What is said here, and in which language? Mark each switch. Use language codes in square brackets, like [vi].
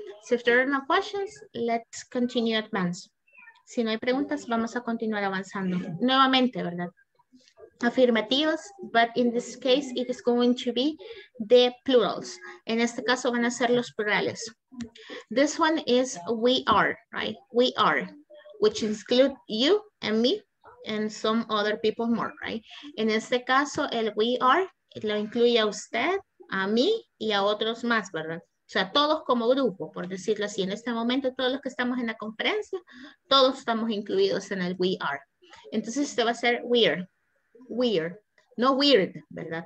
[en] So if there are no questions, let's continue advance. [es] Si no hay preguntas, vamos a continuar avanzando. Nuevamente, ¿verdad? [en] Affirmatives, but in this case it is going to be the plurals. [es] En este caso van a ser los plurales. [en] This one is we are, right? We are, which include you and me and some other people more, right? [es] En este caso el [en] we are [es] lo incluye a usted, a mí y a otros más, ¿verdad? O sea, todos como grupo, por decirlo así. En este momento todos los que estamos en la conferencia, todos estamos incluidos en el [en] we are. [es] Entonces este va a ser weird. Weird. No weird, ¿verdad?